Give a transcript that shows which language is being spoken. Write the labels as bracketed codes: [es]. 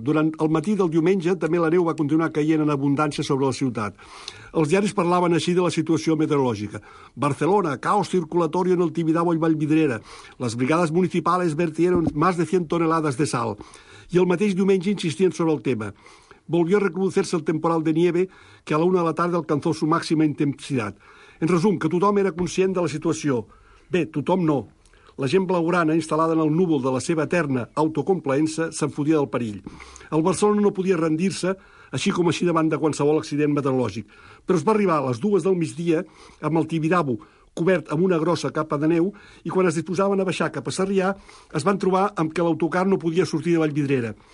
[ca] Durant el matí del diumenge, també la neu va continuar caient en abundància sobre la ciutat. Els diaris parlaven així de la situació meteorològica. Barcelona, [es] caos circulatorio en el Tibidabo [ca] i Vallvidrera. [es] Les brigades municipales vertieron más de 100 toneladas de sal. [ca] I el mateix diumenge insistien sobre el tema. [es] Volvió a recrudecerse el temporal de nieve que a la una de la tarda alcanzó su máxima intensidad. [ca] En resum, que tothom era conscient de la situació. Bé, tothom no. La gent blaugrana, instal·lada en el núvol de la seva eterna autocomplaença, s'enfodia del perill. El Barcelona no podia rendir-se, així com així davant de qualsevol accident meteorològic. Però es va arribar a les dues del migdia amb el Tibidabo cobert amb una grossa capa de neu i quan es disposaven a baixar cap a Sarrià es van trobar amb que l'autocar no podia sortir de Vallvidrera.